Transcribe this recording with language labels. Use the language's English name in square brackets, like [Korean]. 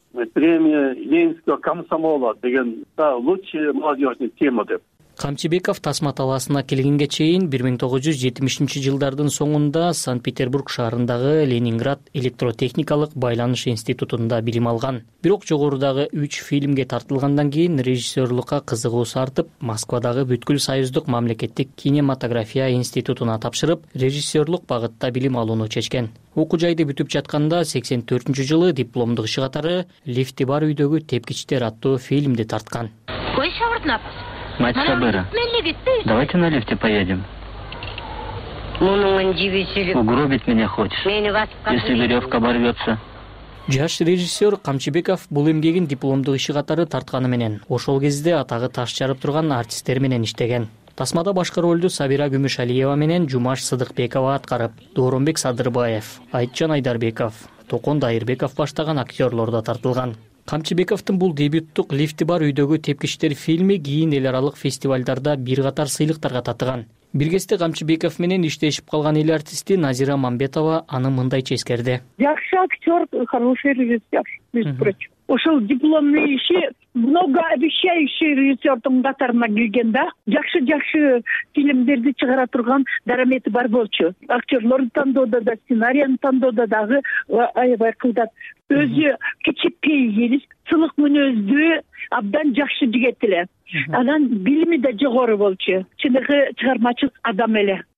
[Russian] Премия Ленинского комсомола деген лучший молодежный тема деп. [Kyrgyz] Камчыбеков тасма талаасына келгенге чейин 1970-жылдардын соңунда Санкт-Петербург шаарындагы Ленинград электротехникалык байланыш институтунда билим алган. Бирок жогорудагы 3 фильмге тартылгандан кийин режиссерлукка кызыгуусу артып, Москвадагы Бүткүл Союздук мамлекеттик кинематография институтуна тапшырып, режиссерлук багытта билим алууну чечкен. Окуу жайды бүтүп жатканда 84-жылы дипломдук иши катары «Лифти бар үйдөгү тепкичтер» аттуу фильмди тарткан. [Russian] Мать Сабыра, давайте на лифте поедем. Угробить меня хочешь, если веревка оборвется. [Kyrgyz] Жаш режиссер Камчыбеков бул эмгегин дипломдук иши катары тартканы менен, ошол кезде атагы таш жарып турган артисттер менен иштеген. Тасмада башкы ролду Сабира Күмүшалиева менен Жумаш Сыдыкбекова аткарып, Дооронбек Садырбаев, Айтжан Айдарбеков, Токон Дайырбеков баштаган актерлор да тартылган. Камчыбековдун бул дебюттук «Лифти бар үйдөгү тепкичтер» фильми кийин эл аралык фестивалдарда бир катар сыйлыктарга татыган. Бир кезде Камчыбеков менен иштешип калган эл артисти Назира Мамбетова аны мындайча эскерди. Жакшы актер, [Russian] хороший режиссер, между прочим. [Kyrgyz] Ошол дипломный иши [Russian] много обещающий [Kyrgyz] режиссердун катарына келген да. Жакшы-жакшы фильмдерди чыгара турган дарамети бар болчу. Актерлорду тандоодо да, сценарияны тандоодо дагы аябай кылдат. Өзү кичипейгилис, сылык мүнөздүү, абдан жакшы жигит эле. Анан билими да жогору болчу. Чыныгы чыгармачыл адам эле.